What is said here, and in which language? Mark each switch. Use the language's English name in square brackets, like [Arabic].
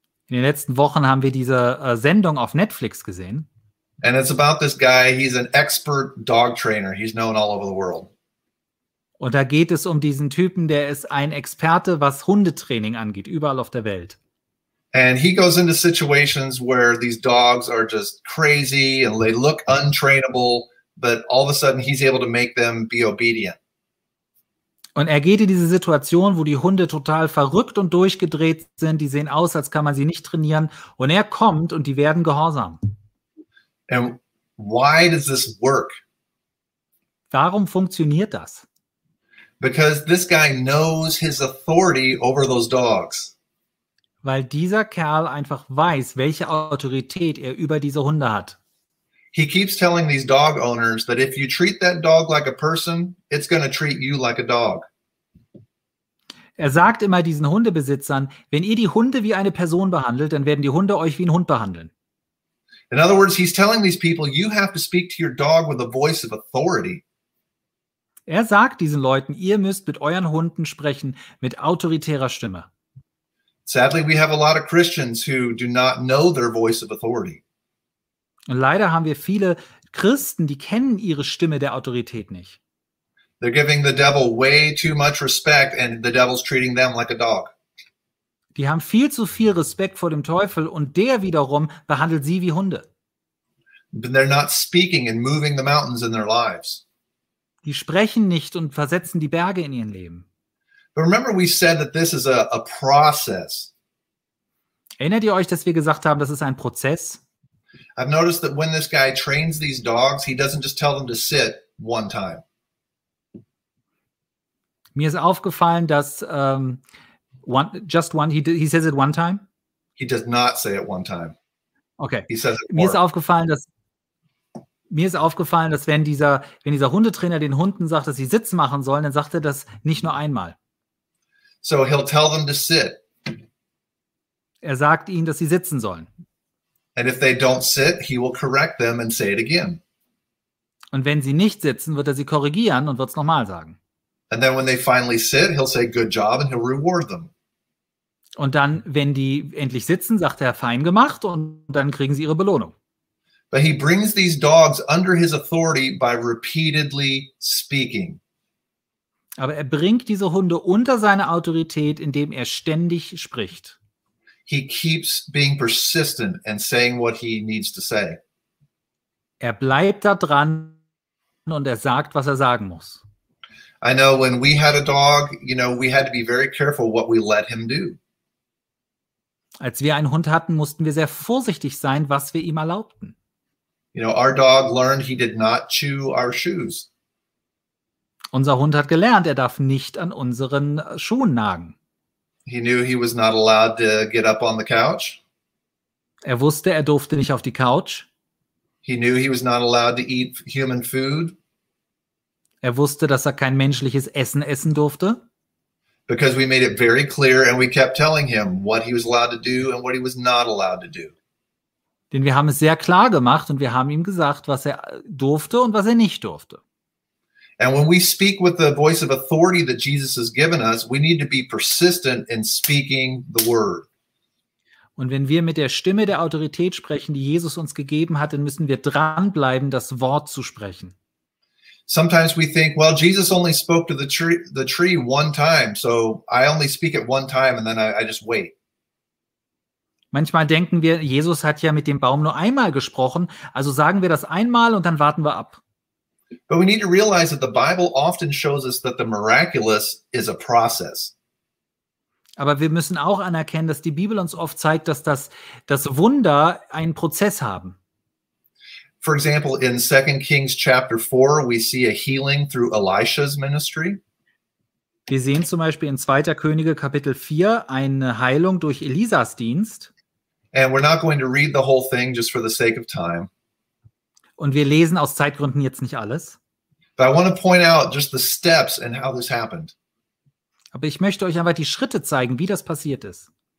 [German] In den letzten Wochen haben wir diese Sendung auf Netflix gesehen. [English] And it's about this guy. He's an expert dog trainer. He's known all over the world. [German] Und da geht es um diesen Typen, der ist ein Experte, was Hundetraining angeht, überall auf der Welt. [English] And he goes into situations where these dogs are just crazy and they look untrainable, but all of a sudden he's able to make them be obedient. [German] Und er geht in diese Situation, wo die Hunde total verrückt und durchgedreht sind, die sehen aus, als kann man sie nicht trainieren, und er kommt und die werden gehorsam. [English] And why does this work? [German] Warum funktioniert das? [English] Because this guy knows his authority over those dogs. [German] Weil dieser Kerl einfach weiß, welche Autorität er über diese Hunde hat. [English] He keeps telling these dog owners that if you treat that dog like a person, it's going to treat you like a dog. [German] Er sagt immer diesen Hundebesitzern, wenn ihr die Hunde wie eine Person behandelt, dann werden die Hunde euch wie ein Hund behandeln. [English] In other words, he's telling these people, you have to speak to your dog with a voice of authority. [German] Er sagt diesen Leuten, ihr müsst mit euren Hunden sprechen, mit autoritärer Stimme. [English] Sadly, we have a lot of Christians who do not know their voice of authority. [German] Und leider haben wir viele Christen, die kennen ihre Stimme der Autorität nicht. [English] They're giving the devil way too much respect and the devil's treating them like a dog. [German] Die haben viel zu viel Respekt vor dem Teufel und der wiederum behandelt sie wie Hunde. [English] But they're not speaking and moving the mountains in their lives. [German] Die sprechen nicht und versetzen die Berge in ihren Leben. [English] But remember we said that this is a process. [German] Erinnert ihr euch, dass wir gesagt haben, das ist ein Prozess? [English] I've noticed that when this guy trains these dogs, he doesn't just tell them to sit one time. [German] Mir ist aufgefallen, dass [English] he says it one time. He does not say it one time. Okay. He says it more. [German] Mir ist aufgefallen, dass wenn dieser Hundetrainer den Hunden sagt, dass sie Sitz machen sollen, dann sagt er das nicht nur einmal. [English] So he'll tell them to sit. [German] Er sagt ihnen, dass sie sitzen sollen. [English] And if they don't sit, he will correct them and say it again. [German] Und wenn sie nicht sitzen, wird er sie korrigieren und wird es nochmal sagen. [English] And then when they finally sit, he'll say good job and he'll reward them. [German] Und dann, wenn die endlich sitzen, sagt er fein gemacht und dann kriegen sie ihre Belohnung. [English] But he brings these dogs under his authority by repeatedly speaking. [German] Aber er bringt diese Hunde unter seine Autorität, indem er ständig spricht. [English] He keeps being persistent and saying what he needs to say. [German] Er bleibt da dran und er sagt, was er sagen muss. [English] I know when we had a dog, you know, we had to be very careful what we let him do. [German] Als wir einen Hund hatten, mussten wir sehr vorsichtig sein, was wir ihm erlaubten. [English] You know, our dog learned he did not chew our shoes. [German] Unser Hund hat gelernt, er darf nicht an unseren Schuhen nagen. [English] He knew he was not allowed to get up on the couch. [German] Er wusste, er durfte nicht auf die Couch. [English] He knew he was not allowed to eat human food. [German] Er wusste, dass er kein menschliches Essen essen durfte. [English] Because we made it very clear and we kept telling him what he was allowed to do and what he was not allowed to do. [German] Denn wir haben es sehr klar gemacht und wir haben ihm gesagt, was er durfte und was er nicht durfte. [English] And when we speak with the voice of authority that Jesus has given us, we need to be persistent in speaking the word. [German] Und wenn wir mit der Stimme der Autorität sprechen, die Jesus uns gegeben hat, dann müssen wir dranbleiben, das Wort zu sprechen. [English] Sometimes we think, well, Jesus only spoke to the tree one time, so I only speak it one time and then I just wait. [German] Manchmal denken wir, Jesus hat ja mit dem Baum nur einmal gesprochen, also sagen wir das einmal und dann warten wir ab. [English] But we need to realize that the Bible often shows us that the miraculous is a process. [German] Aber wir müssen auch anerkennen, dass die Bibel uns oft zeigt, dass das Wunder einen Prozess haben. [English] For example, in 2 Kings chapter 4, we see a healing through Elisha's ministry. [German] Wir sehen zum Beispiel in 2. Könige Kapitel 4 eine Heilung durch Elisas Dienst. [English] And we're not going to read the whole thing just for the sake of time. [German] Und wir lesen aus Zeitgründen jetzt nicht alles. [English] But I want to point out just the steps and how this happened. [German] Aber ich möchte euch einfach die Schritte zeigen, wie das passiert ist.